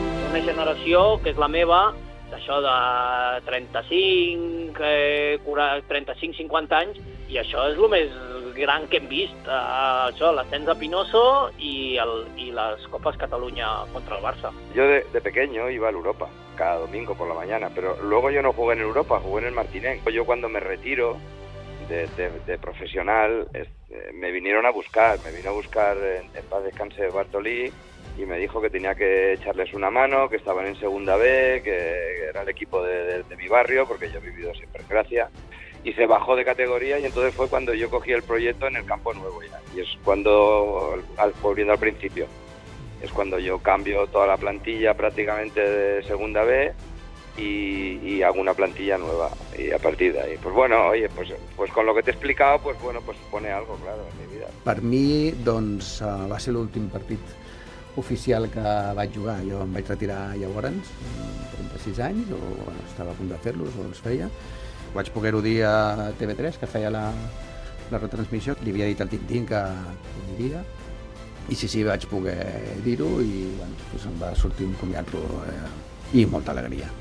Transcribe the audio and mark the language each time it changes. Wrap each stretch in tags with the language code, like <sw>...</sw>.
<ca>Una generació, que és la meva, d'això de 35, 35-50 anys, i això és el més gran que hem vist, això, l'ascens de Pinoso i les Copes Catalunya contra el Barça.</ca> <es>Yo de pequeño iba a l'Europa, cada domingo por la mañana, pero luego yo no jugué en Europa, jugué en el Martinenc. Yo cuando me retiro de profesional, me vinieron a buscar, me vino a buscar en paz descanse de Bartolí, y me dijo que tenía que echarles una mano, que estaban en segunda B, que era el equipo de mi barrio, porque yo he vivido siempre en Gracia. Y se bajó de categoría y entonces fue cuando yo cogí el proyecto en el Campo Nuevo ya. Y es cuando, volviendo al principio, es cuando yo cambio toda la plantilla prácticamente de segunda B y hago una plantilla nueva. Y a partir de ahí, pues bueno, oye, pues con lo que te he explicado, pues bueno, pues pone algo claro en mi vida.</es> <ca>Per mi, doncs, va ser l'últim partit oficial que vaig jugar. Jo em vaig retirar llavors, amb 36 anys, o bueno, estava a punt de fer-los, o els feia. Vaig poder-ho dir a TV3, que feia la retransmissió. Li havia dit al Tintín que ho diria. I sí, vaig poder dir-ho i bueno, doncs em va sortir un comiat i molta alegria.</ca>